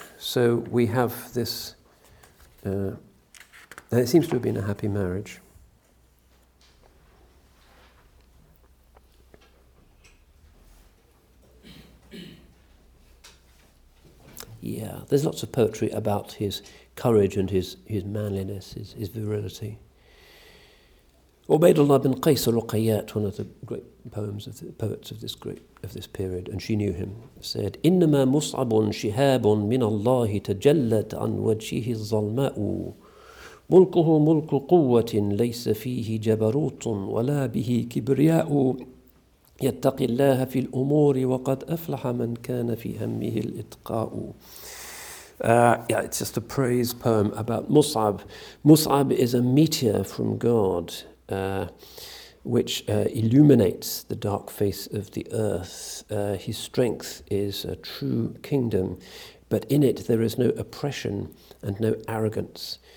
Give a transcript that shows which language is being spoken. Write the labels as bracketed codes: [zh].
[en] So we have this, it seems to have been a happy marriage. Yeah, there's lots of poetry about his courage and his manliness, his virility. Ubaydullah bin Qais al-Ruqayyat, one of the great poets of this period, and she knew him, said, [ar] إِنَّمَا مُصْعَبٌ شِهَابٌ مِنَ اللَّهِ تَجَلَّتْ عَنْ وَجْهِهِ الظَّلْمَاءُ مُلْكُهُ مُلْكُ قُوَّةٍ لَيْسَ فِيهِ جَبَرُوتٌ وَلَا بِهِ كِبْرِيَاءُ يَتَّقِ اللَّهَ فِي الْأُمُورِ وَقَدْ أَفْلَحَ مَنْ كَانَ فِي هَمِّهِ الْإِتْقَاءُ. [en] Yeah, it's just a praise poem about Mus'ab. Mus'ab is a meteor from God, which illuminates the dark face of the earth. His strength is a true kingdom, but in it there is no oppression and no arrogance.